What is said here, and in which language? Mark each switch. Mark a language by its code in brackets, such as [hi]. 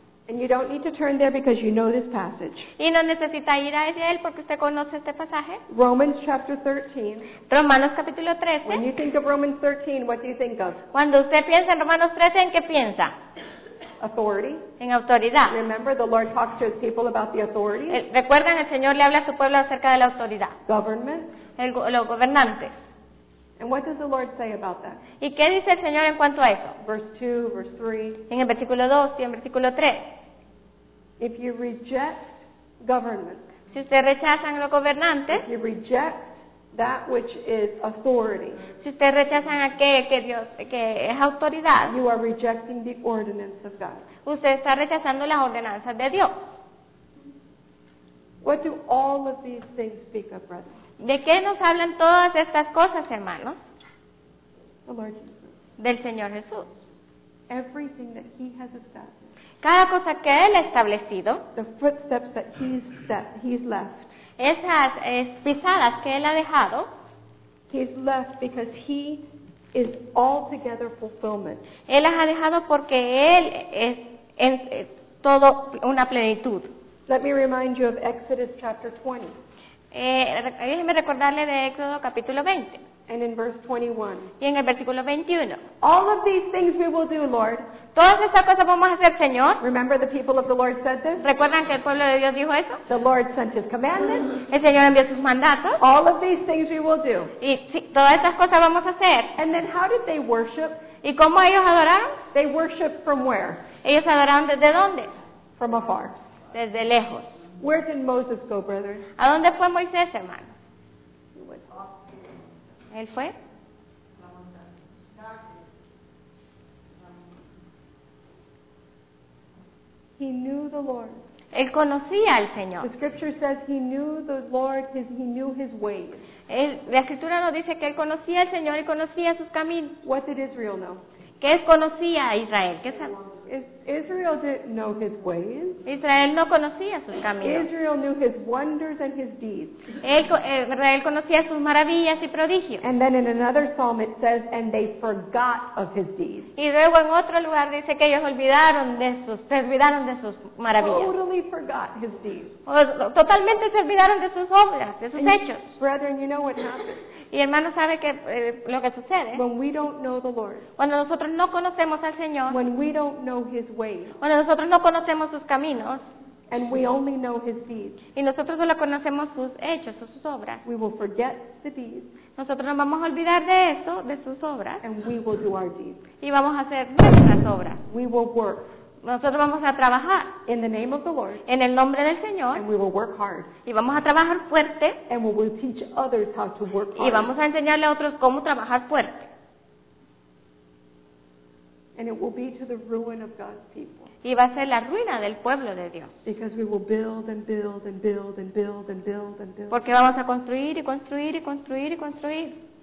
[en] And you don't need to turn there because you know this passage. [es] Y no necesita ir a él porque usted conoce este pasaje. [en] Romans chapter 13. [es] Romanos capítulo 13. [en] When you think of Romans 13, what do you think of? [es] Cuando usted piensa en Romanos 13, ¿en qué piensa? [en] Authority. [es] En autoridad. [en] Remember, the Lord talks to his people about the authority. [es] Recuerdan, el Señor le habla a su pueblo acerca de la autoridad. [en] Government. [es] Los gobernantes. [en] And what does the Lord say about that? [es] ¿Y qué dice el Señor en cuanto a eso? [en] Verse 2, verse 3. [es] En el versículo 2 y en el versículo 3. [en] If you reject government. [es] Si ustedes rechazan los gobernantes. [en] If you reject that which is authority. [es] Si ustedes rechazan aquello que Dios, que es autoridad. [en] You are rejecting the ordinance of God. [es] Usted está rechazando las ordenanzas de Dios. [en] What do all of these things speak of, brother? [es] ¿De qué nos hablan todas estas cosas, hermanos? [en] The Lord Jesus. [es] Del Señor Jesús. [en] Everything that he has established. [es] Cada cosa que él ha establecido. [en] The footsteps that he's left. [es] Esas pisadas que él ha dejado. [en] He's left because he is altogether fulfillment. [es] Él las ha dejado porque él es en todo una plenitud. [en] Let me remind you of Exodus chapter 20. [es] Déjeme recordarle de Éxodo capítulo 20. [en] And in verse 21. [es] Y en el versículo 21. [en] All of these things we will do, Lord. [es] Todas estas cosas vamos a hacer, Señor. [en] Remember the people of the Lord said this? [es] ¿Recuerdan que el pueblo de Dios dijo eso? [en] The Lord sent his commandments. [es] El Señor envió sus mandatos. [en] All of these things we will do. [es] Y sí, todas estas cosas vamos a hacer. [en] And then how did they worship? [es] ¿Y cómo ellos adoraron? [en] They worshiped from where? [es] ¿Ellos adoraron desde dónde? [en] From afar. [es] Desde lejos. [en] Where did Moses go, brother? [es] ¿A dónde fue Moisés, hermano? [en] He went off. [es] ¿Él fue? [en] He knew the Lord. [es] Él conocía al Señor. [en] The scripture says he knew the Lord, he knew his ways. [es] La escritura nos dice que él conocía al Señor y conocía sus caminos. [en] What did Israel know? [es] ¿Qué es conocía a Israel? ¿Qué es [en] Israel didn't know his ways. [es] Israel no conocía sus caminos. [en] Israel knew his wonders and his deeds. [es] Israel conocía sus maravillas y prodigios. [en] And then in another psalm it says, and they forgot of his deeds. [es] Y luego en otro lugar dice que ellos se olvidaron de sus maravillas. [en] Totally forgot his deeds. [es] Totalmente se olvidaron de sus obras, de sus hechos. [en] Brethren, you know what happens. [es] Y hermano sabe que lo que sucede. [en] When we don't know the Lord, [es] cuando nosotros no conocemos al Señor. [en] When we don't know his ways, [es] cuando nosotros no conocemos sus caminos. [en] And we only know his deeds, [es] y nosotros solo conocemos sus hechos o sus obras. [en] We will forget the deeds, [es] nosotros nos vamos a olvidar de eso, de sus obras. [en] And we will do our deeds. [es] Y vamos a hacer nuestras obras. [en] We will work. [es] Nosotros vamos a trabajar [en] in the name of the Lord, [es] en el nombre del Señor, [en] and we will work hard, [es] y vamos a trabajar fuerte, [en] and we will teach others how to work hard, [es] y vamos a enseñarle a otros cómo trabajar fuerte. [en] And it will be to the ruin of God's people. [es] Y va a ser la ruina del pueblo de Dios. [en] Because we will build and build and build and build and build and build. [es] Porque vamos a construir y construir y construir y construir.